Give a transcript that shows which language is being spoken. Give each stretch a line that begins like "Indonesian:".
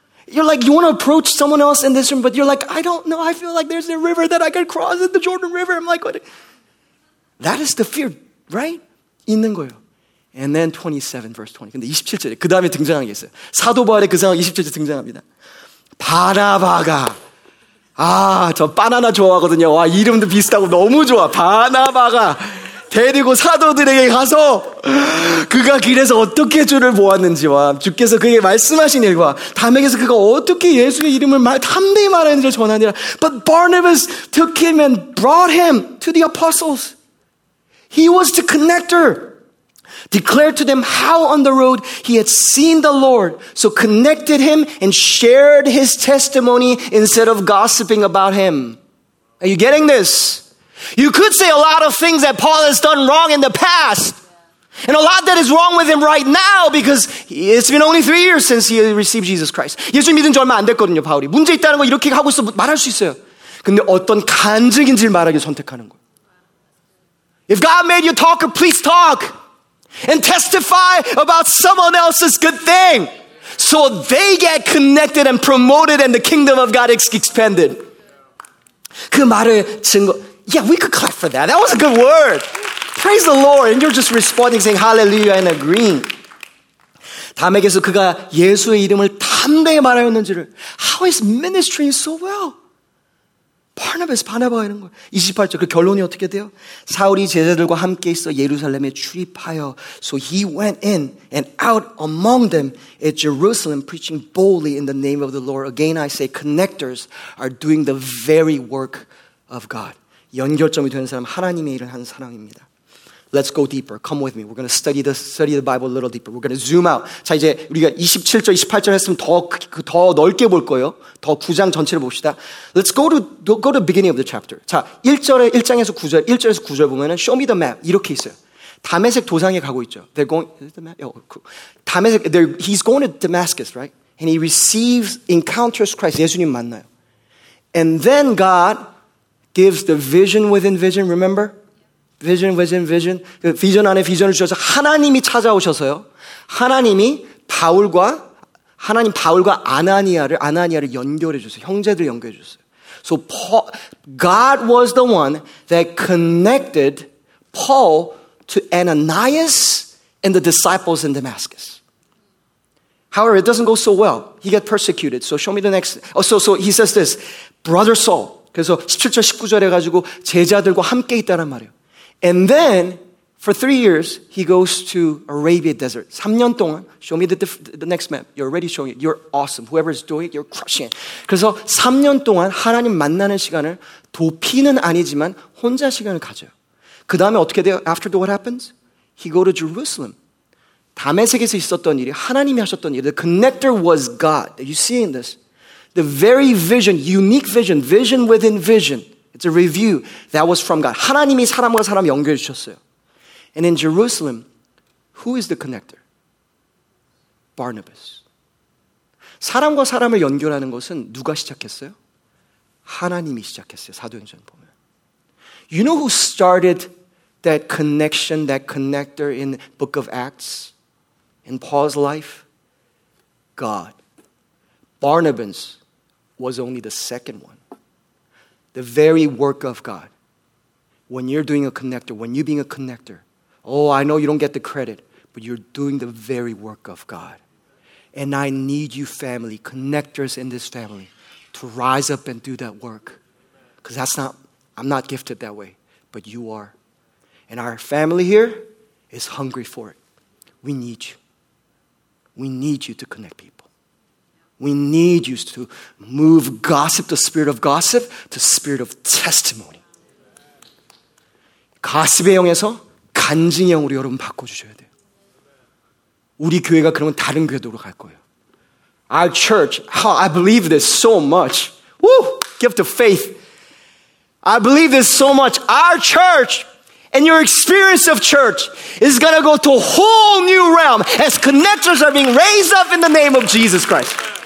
English: You're like, you want to approach someone else in this room, but you're like, I don't know, I feel like there's a river that I can cross in the Jordan River. I'm like, what? That is the fear, right?
Korean: 있는 거예요.
English: And then 27, verse 20.
Korean: 근데 27절에, 그 다음에 등장하는 게 있어요. 사도바울의 그 상황 27절에 등장합니다. 바나바가. 아, 저 바나나 좋아하거든요. 와, 이름도 비슷하고 너무 좋아. 바나바가. 데리고 사도들에게 가서 그가 길에서 어떻게 주를 보았는지와 주께서 그에게 말씀하신 일과 담에게서 그가 어떻게 예수의 이름을 담대히 말하는지를 전하니라.
English: But Barnabas took him and brought him to the apostles. He was the connector. Declared to them how on the road he had seen the Lord. So connected him and shared his testimony instead of gossiping about him. Are you getting this? You could say a lot of things that Paul has done wrong in the past. And a lot that is wrong with him right now because it's been only 3 years since he received Jesus Christ.
Korean: 예수 믿은 지 얼마 안 됐거든요, 바울이. 문제 있다는 거 이렇게 하고 있어 말할 수 있어요. 근데 어떤 간증인지를 말하기 선택하는 거예요.
English: If God made you a talker, please talk. And testify about someone else's good thing. So they get connected and promoted and the kingdom of God expanded.
Korean: 그 말을 증거...
English: Yeah, we could clap for that. That was a good word. Praise the Lord. And you're just responding, saying hallelujah and agreeing.
Korean: 담에게서 그가 예수의 이름을 담대히 말하였는지를.
English: How is ministry so well? Barnabas,
Korean: 바나바가 이런 거예요. 28절, 그 결론이 어떻게 돼요? 사울이 제자들과 함께 있어 예루살렘에 출입하여.
English: So he went in and out among them at Jerusalem, preaching boldly in the name of the Lord. Again, I say, connectors are doing the very work of God.
Korean: 연결점이 되는 사람 하나님의 일을 하는 사람입니다.
English: Let's go deeper. Come with me. We're going to study the Bible a little deeper. We're going to zoom out.
Korean: 자 이제 우리가 27절, 28절 했으면 더 넓게 볼 거예요. 더 9장 전체를 봅시다.
English: Let's go to beginning of the chapter.
Korean: 자 1절에 1장에서 9절, 1절에서 9절 보면은
English: show me the map
Korean: 이렇게 있어요. 다메섹 도상에 가고 있죠.
English: They're going is it the map? Oh, cool. 다메섹 he's going to Damascus, right? And he encounters Christ.
Korean: 예수님 만나요.
English: And then God gives the vision within vision, remember? Vision within vision.
Korean: Vision 안에 vision을 주셔서 하나님이 찾아오셔서요. 하나님이 바울과 아나니아를 연결해 주셨어요. 형제들 연결해 주셨어요.
English: So Paul, God was the one that connected Paul to Ananias and the disciples in Damascus. However, it doesn't go so well. He got persecuted. So show me the next. Oh, so he says this. Brother Saul.
Korean: 그래서 17절, 19절 해가지고 제자들과 함께 있다란 말이에요.
English: And then, for 3 years, he goes to Arabia Desert.
Korean: 3년 동안,
English: show me the next map. You're already showing it. You're awesome. Whoever is doing it, you're crushing it.
Korean: 그래서 3년 동안 하나님 만나는 시간을 도피는 아니지만 혼자 시간을 가져요. 그 다음에 어떻게 돼요?
English: After what happens? He goes to Jerusalem.
Korean: 다메섹에서 있었던 일이 하나님이 하셨던 일이에요.
English: The connector was God. Are you seeing this? The very vision, unique vision, vision within vision. It's a review that was from God.
Korean: 하나님이 사람과 사람 연결해 주셨어요.
English: And in Jerusalem, who is the connector? Barnabas.
Korean: 사람과 사람을 연결하는 것은 누가 시작했어요? 하나님이 시작했어요. 사도행전 보면.
English: You know who started that connection, that connector in the book of Acts? In Paul's life? God. Barnabas. Was only the second one. The very work of God. When you're doing a connector, when you're being a connector, oh, I know you don't get the credit, but you're doing the very work of God. And I need you, family, connectors in this family, to rise up and do that work. Because that's not, I'm not gifted that way, but you are. And our family here is hungry for it. We need you. We need you to connect people. We need you to move gossip, the spirit of gossip, to spirit of testimony.
Korean: 가십의 영에서 간증의 영으로 여러분 바꿔주셔야 돼요. 우리 교회가 그러면 다른 궤도로 갈 거예요.
English: Our church, oh, I believe this so much. Woo! Gift of faith. I believe this so much. Our church and your experience of church is going to go to a whole new realm as connectors are being raised up in the name of Jesus Christ.